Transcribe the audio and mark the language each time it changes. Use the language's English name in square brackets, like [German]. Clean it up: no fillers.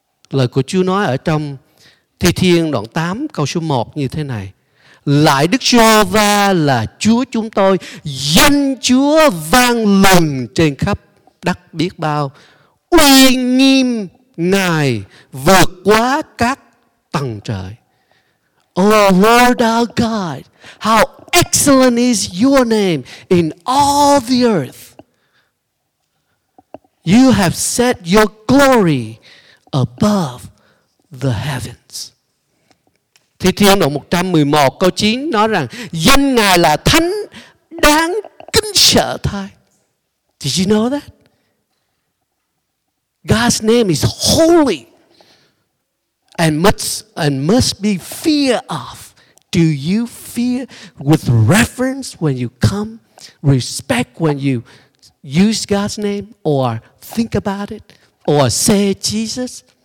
[Vietnamese] Lời của Chúa nói ở trong Thi Thiên đoạn 8 câu số 1 như thế này: Lại Đức Giê-hô-va là Chúa chúng tôi, danh Chúa vang lừng trên khắp đất biết bao, uy nghiêm Ngài vượt quá các tầng trời. [English] Oh Lord our God, how excellent is your name in all the earth. You have set your glory above the heavens. [Vietnamese] Thi Thiên đoạn 111 câu 9 nói rằng danh Ngài là thánh, đáng kính sợ thay. [English] Did you know that? God's name is holy and must be fear of. Do you fear with reverence when you come? Respect when you use God's name or think about it or say Jesus?